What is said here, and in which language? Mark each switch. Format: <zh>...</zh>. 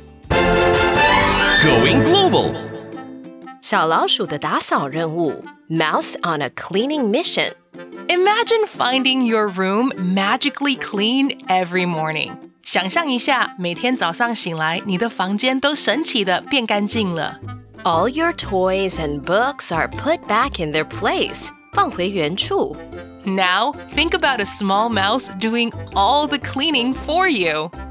<en>Going global!</en> <zh>小老鼠的打扫任务,</zh> <en>Mouse on a cleaning mission. Imagine finding your room magically clean every morning.</en> <zh>想象一下,每天早上醒来,你的房间都神奇地变干净了。</zh> <en>All your toys and books are put back in their place,</en> <zh>放回原处。</zh> <en>Now, think about a small mouse doing all the cleaning for you.</en>